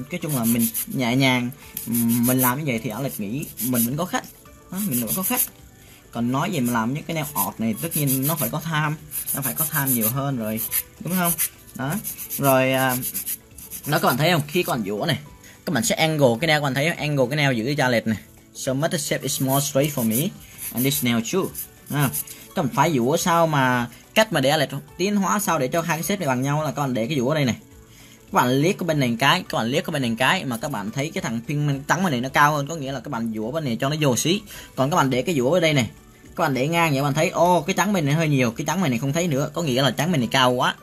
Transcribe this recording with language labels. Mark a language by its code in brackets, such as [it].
[vi] Nói chung là mình nhẹ nhàng, mình làm như vậy thì Alex nghĩ mình vẫn có khách. Đó, mình vẫn có khách. Còn nói gì mà làm những cái nail art này, tất nhiên nó phải có tham. Nó phải có tham nhiều hơn rồi, đúng không? Đó. Rồi, đó các bạn thấy không? Khi còn dũa này, các bạn sẽ angle cái nail, các bạn thấy không? Angle cái nail giữ cho Alex này. [en] So much the shape is more straight for me and this nail too. [vi] Các bạn phải dũa sao mà cách mà để Alex tiến hóa sao để cho hai cái shape này bằng nhau là các bạn để cái dũa đây này. Các bạn liếc qua bên này cái, các bạn liếc qua bên này cái mà các bạn thấy cái thằng pin trắng bên này nó cao hơn, có nghĩa là các bạn dũa bên này cho nó vô xí. Còn các bạn để cái dũa ở đây này, các bạn để ngang vậy, các bạn thấy ô cái trắng bên này hơi nhiều, cái trắng bên này không thấy nữa, có nghĩa là trắng bên này cao quá.